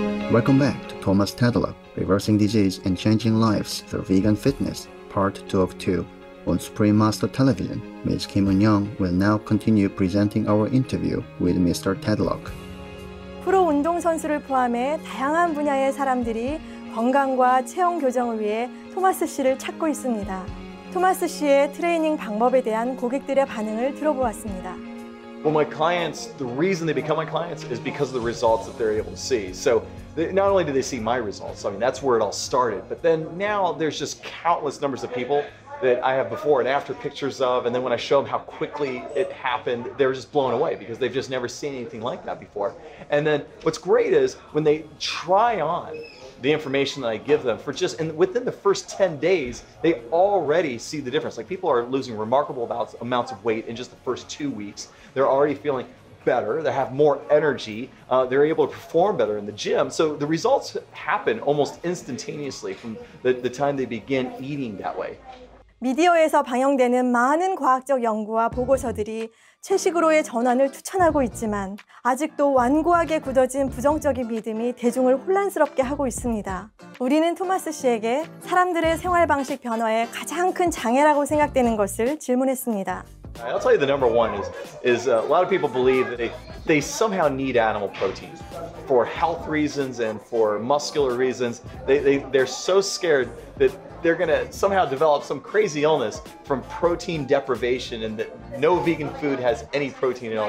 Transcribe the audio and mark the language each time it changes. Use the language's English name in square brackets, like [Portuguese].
[English] Welcome back to Thomas Tadlock, Reversing Disease and Changing Lives Through Vegan Fitness, Part 2 of 2. On Supreme Master Television, Ms. Kim Eun-young will now continue presenting our interview with Mr. Tadlock. [Korean] 프로 운동선수를 포함해 다양한 분야의 사람들이 건강과 체형 교정을 위해 토마스 씨를 찾고 있습니다. 토마스 씨의 트레이닝 방법에 대한 고객들의 반응을 들어보았습니다. [English] Well, my clients, the reason they become my clients is because of the results that they're able to see. So not only do they see my results, I mean, that's where it all started. But then now there's just countless numbers of people that I have before and after pictures of. And then when I show them how quickly it happened, they're just blown away because they've just never seen anything like that before. And then what's great is when they try on the information that I give them for just, and within the first 10 days, they already see the difference. Like people are losing remarkable amounts of weight in just the first 2 weeks. They're already feeling better. They have more energy. They're able to perform better in the gym. So the results happen almost instantaneously from the time they begin eating that way. [Korean] 미디어에서 방영되는 많은 과학적 연구와 보고서들이 채식으로의 전환을 추천하고 있지만 아직도 완고하게 굳어진 부정적인 믿음이 대중을 혼란스럽게 하고 있습니다. 우리는 토마스 씨에게 사람들의 생활 방식 변화에 가장 큰 장애라고 생각되는 것을 질문했습니다. [English] I'll tell you the number one is a lot of people believe that they somehow need animal protein for health reasons and for muscular reasons. They're so scared that they're going to somehow develop some crazy illness from protein deprivation and that no vegan food has any protein at all.